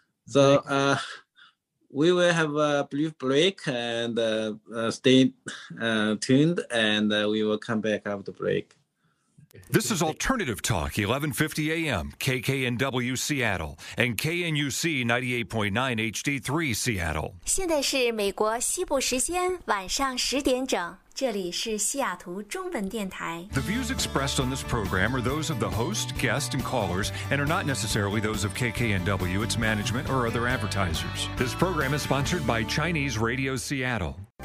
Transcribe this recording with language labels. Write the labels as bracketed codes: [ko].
[en] So we will have a brief break and stay tuned, and we will come back after the break. This is Alternative Talk, 1150 AM, KKNW Seattle, and KNUC 98.9 HD3 Seattle. [zh] 现在是美国西部时间晚上10点整，这里是西雅图中文电台。 [en] The views expressed on this program are those of the host, guest, and callers, and are not necessarily those of KKNW, its management, or other advertisers. This program is sponsored by Chinese Radio Seattle.